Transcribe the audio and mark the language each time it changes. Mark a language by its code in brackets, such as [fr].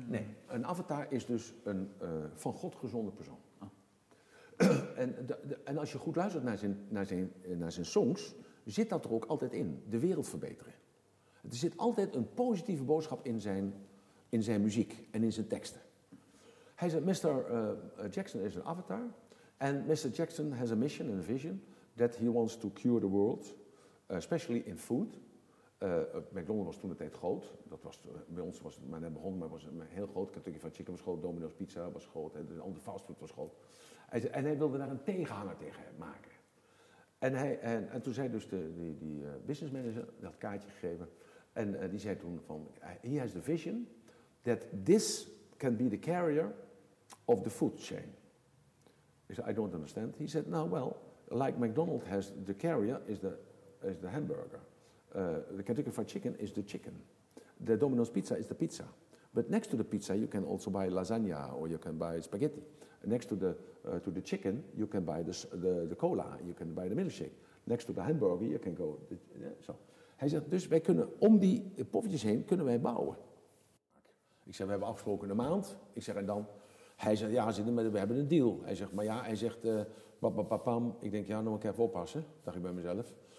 [nl] Nee, een avatar is dus een van God gezonde persoon. Ah. En als je goed luistert naar zijn songs, zit dat er ook altijd in. De wereld verbeteren. Er zit altijd een positieve boodschap in zijn muziek en in zijn teksten. Hij zegt, Mr. Jackson is een avatar. En Mr. [en] Jackson has a mission and a vision that he wants to cure the world, especially in food. [nl] McDonald's was toen de tijd groot. Dat was, bij ons was het maar net begonnen, maar het was een heel groot. Kentucky Fried Chicken was groot, Domino's Pizza was groot, en al de fastfood was groot. En hij wilde daar een tegenhanger tegen maken. En toen zei dus die business manager, die had kaartje gegeven, en die zei toen van, [en] he has the vision that this can be the carrier of the food chain. He said, I don't understand. He said, now well, like McDonald's has the carrier is the hamburger. The Kentucky Fried Chicken is the chicken. The Domino's Pizza is the pizza. But next to the pizza, you can also buy lasagna or you can buy spaghetti. Next to the chicken, you can buy the cola. You can buy the milkshake. Next to the hamburger, you can go. So. [nl] Hij zegt, dus wij kunnen om die poffertjes heen kunnen wij bouwen. Ik zeg, we hebben afgesproken een maand. Ik zeg, en dan? Hij zegt, ja, we hebben een deal. Hij zegt, maar ja, hij zegt, papam. Ik denk, ja, nog een keer even oppassen. Dacht ik bij mezelf.